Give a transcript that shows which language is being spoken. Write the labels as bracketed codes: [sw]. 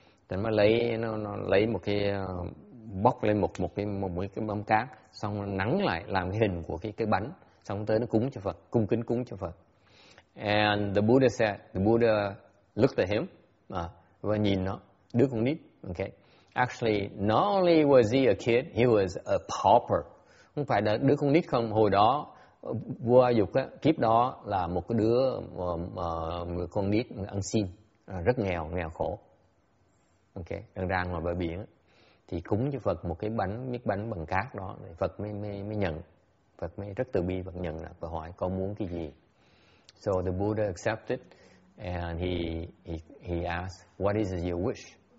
[vi] Thì nó lấy một cái bóc lên một cái bông cát, xong nắng lại làm cái hình của cái bánh, xong tới nó cúng cho Phật, cung kính cúng cho Phật. [en] And the Buddha said, the Buddha looked at him, [vi] và nhìn nó, đứa con nít. [en] Okay. Actually, not only was he a kid, he was a pauper. [vi] Không phải là đứa con nít không, hồi đó, vua A Dục á, kiếp đó là một cái đứa người con nít ăn xin, rất nghèo khổ. Okay, đang ra ngoài bờ biển. thì cúng cho Phật một cái bánh, miếng bánh bằng cát đó, Phật mới mới nhận. Phật mới rất từ bi, Phật nhận lại và hỏi con muốn cái gì. [en] So the Buddha accepted and he asked, what is your wish?